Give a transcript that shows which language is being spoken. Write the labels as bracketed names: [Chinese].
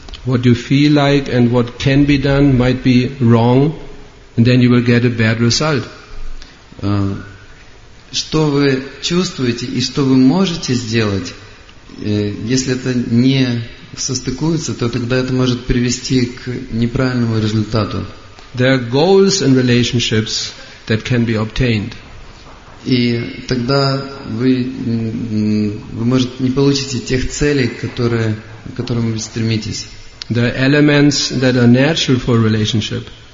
[English] What you feel like and what can be done might be wrong, and then you will get a bad result. [Russian] Что вы чувствуете и что вы можете сделать, если это не состыкуется, то тогда это может привести к неправильному результату. [English] There are goals and relationships that can be obtained. [Russian] И тогда вы может не получите тех целей, к которым вы стремитесь. [English] The elements that are natural for a relationship.